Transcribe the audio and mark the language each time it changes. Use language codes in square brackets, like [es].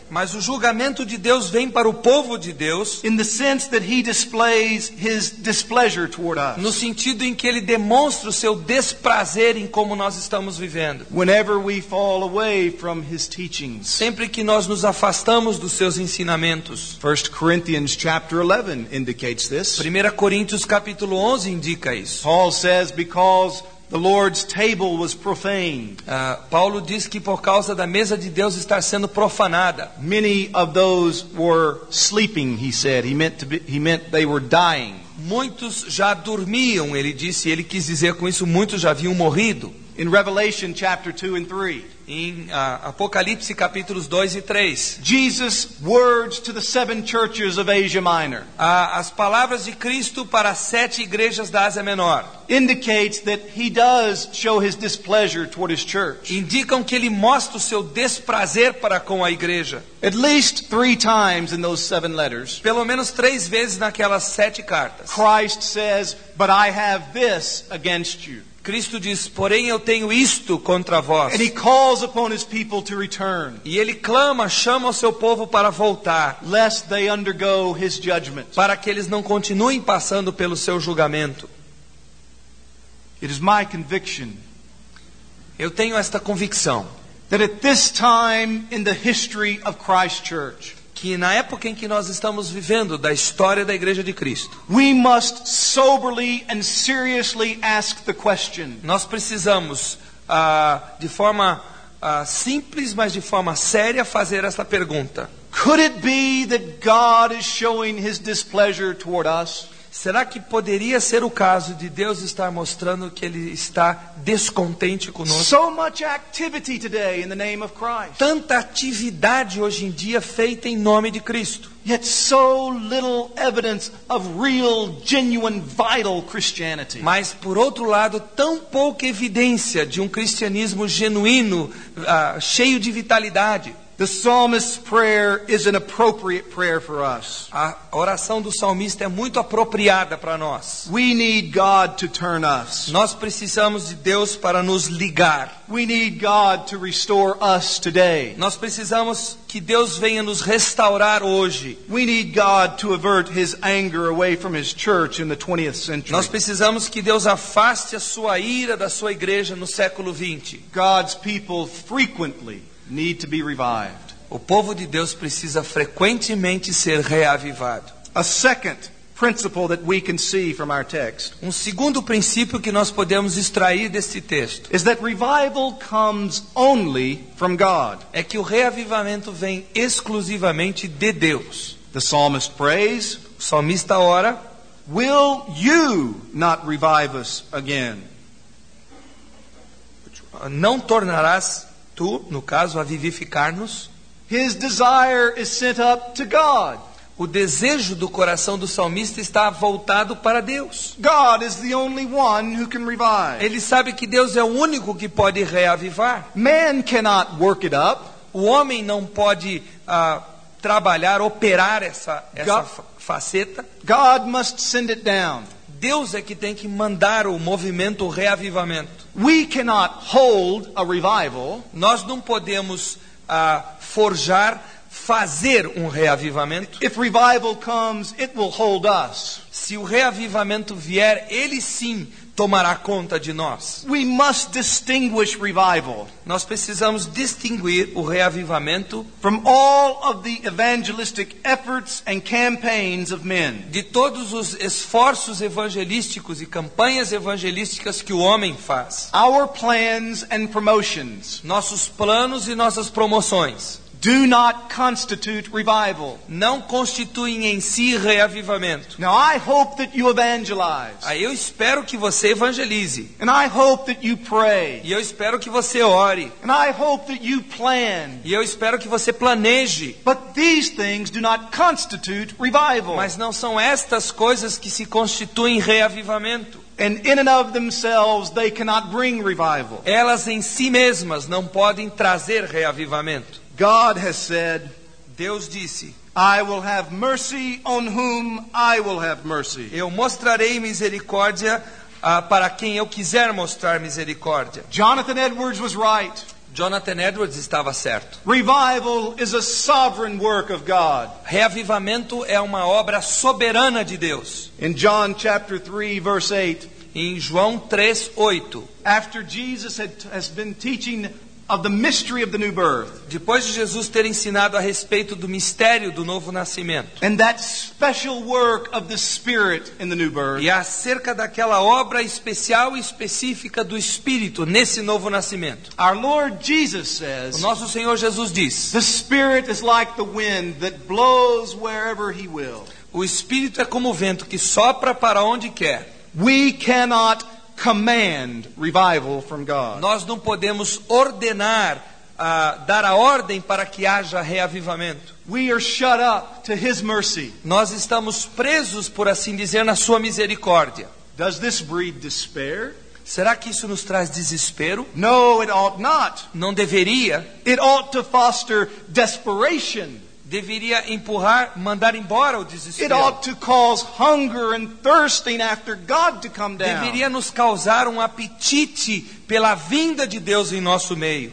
[pt] Mas o julgamento de Deus vem para o povo de Deus. [en] In the sense that he displays his displeasure toward us. [pt] No sentido em que ele demonstra o seu desprazer em como nós estamos vivendo. [en] Whenever we fall away from his teachings. [pt] Sempre que nós nos afastamos dos seus ensinamentos. [en] 1 Corinthians chapter 11 indicates this. [pt] 1 Coríntios capítulo 11 indica isso. [en] Paul says because the Lord's table was profaned. [pt] Paulo diz que por causa da mesa de Deus está sendo profanada. [en] Many of those were sleeping, he said. He meant they were dying. [pt] Muitos já dormiam, ele disse. Ele quis dizer com isso muitos já haviam morrido. [en] In Revelation chapter 2 and 3. [pt] Em Apocalipse capítulos 2 e 3. [en] Jesus' words to the seven churches of Asia Minor. [pt] As palavras de Cristo para as sete igrejas da Ásia Menor. [en] Indicates that he does show his displeasure toward his church. [pt] Indicam que ele mostra o seu desprazer para com a igreja. [en] At least three times in those seven letters. [pt] Pelo menos três vezes naquelas sete cartas. [en] Christ says, "But I have this against you." [pt] Cristo diz, porém eu tenho isto contra vós. [en] And he calls upon his people to return. [pt] E ele clama, chama o seu povo para voltar. [en] Lest they undergo his judgment. [pt] Para que eles não continuem passando pelo seu julgamento. [en] It is my conviction. [pt] Eu tenho esta convicção. [en] That at this time in the history of Christ's church. [pt] Que na época em que nós estamos vivendo da história da Igreja de Cristo, [en] we must soberly and seriously ask the question. [pt] Nós precisamos, de forma simples, mas de forma séria, fazer esta pergunta. [en] Could it be that God is showing his displeasure toward us? [pt] Será que poderia ser o caso de Deus estar mostrando que ele está descontente conosco? [en] So much activity today in the name of Christ. [pt] Tanta atividade hoje em dia feita em nome de Cristo. [en] Yet so little evidence of real, genuine, vital Christianity. [pt] Mas por outro lado, tão pouca evidência de um cristianismo genuíno, cheio de vitalidade. [en] The psalmist's prayer is an appropriate prayer for us. [pt] A oração do salmista é muito apropriada para nós. [en] We need God to turn us. [pt] Nós precisamos de Deus para nos ligar. [en] We need God to restore us today. [pt] Nós precisamos que Deus venha nos restaurar hoje. [en] We need God to avert his anger away from his church in the 20th century. [pt] Nós precisamos que Deus afaste a sua ira da sua igreja no século 20. [en] God's people frequently need to be revived. [pt] O povo de Deus precisa frequentemente ser reavivado. [en] A second principle that we can see from our text. [pt] Um segundo princípio que nós podemos extrair deste texto. [en] Is that revival comes only from God. [pt] É que o reavivamento vem exclusivamente de Deus. [en] The psalmist prays. [pt] O salmista ora. [en] Will you not revive us again? [pt] Não tornarás tu, no caso, a vivificar-nos. [en] His desire is sent up to God. [pt] O desejo do coração do salmista está voltado para Deus. [en] God is the only one who can revive. [pt] Ele sabe que Deus é o único que pode reavivar. [en] Man cannot work it up. [pt] O homem não pode trabalhar, operar essa faceta. [en] God must send it down. [pt] Deus é que tem que mandar o movimento, o reavivamento. [en] We cannot hold a revival. [pt] Nós não podemos forjar, fazer um reavivamento. [en] If revival comes, it will hold us. [pt] Se o reavivamento vier, ele sim tomará conta de nós. [en] We must distinguish revival. [pt] Nós precisamos distinguir o reavivamento [en] from all of the evangelistic efforts and campaigns of men. [pt] De todos os esforços evangelísticos e campanhas evangelísticas que o homem faz. [en] Our plans and promotions. [pt] Nossos planos e nossas promoções. [en] Do not constitute revival. [pt] Não constituem em si reavivamento. [en] Now I hope that you evangelize. [pt] Aí eu espero que você evangelize. [en] And I hope that you pray. [pt] E eu espero que você ore. [en] And I hope that you plan. [pt] E eu espero que você planeje. [en] But these things do not constitute revival. [pt] Mas não são estas coisas que se constituem reavivamento. [en] And in and of themselves, they cannot bring revival. [pt] Elas em si mesmas não podem trazer reavivamento. [en] God has said, [pt] Deus disse, [en] I will have mercy on whom I will have mercy. [pt] Eu mostrarei misericórdia para quem eu quiser mostrar misericórdia. [en] Jonathan Edwards was right. [pt] Jonathan Edwards estava certo. [en] Revival is a sovereign work of God. [pt] Reavivamento é uma obra soberana de Deus. [en] In John chapter 3 verse 8. [pt] Em João 3:8. [en] After Jesus has been teaching of the mystery of the new birth. [pt] Depois de Jesus ter ensinado a respeito do mistério do novo nascimento. [en] And that special work of the Spirit in the new birth. [pt] E acerca daquela obra especial e específica do Espírito nesse novo nascimento. [en] Our Lord Jesus says. [pt] O nosso Senhor Jesus diz. [en] The Spirit is like the wind that blows wherever he will. [pt] O Espírito é como o vento que sopra para onde quer. [en] We cannot command revival from God. [pt] Nós não podemos ordenar, dar a ordem para que haja reavivamento. [en] We are shut up to His mercy. [pt] Nós estamos presos, por assim dizer, na Sua misericórdia. [en] Does this breed despair? [pt] Será que isso nos traz desespero? [en] No, it ought not. [pt] Não deveria. [en] It ought to foster desperation. [pt] Deveria empurrar, mandar embora o desespero. [en] It ought to cause hunger and thirsting after God to come down. [pt] Deveria nos causar um apetite pela vinda de Deus em nosso meio.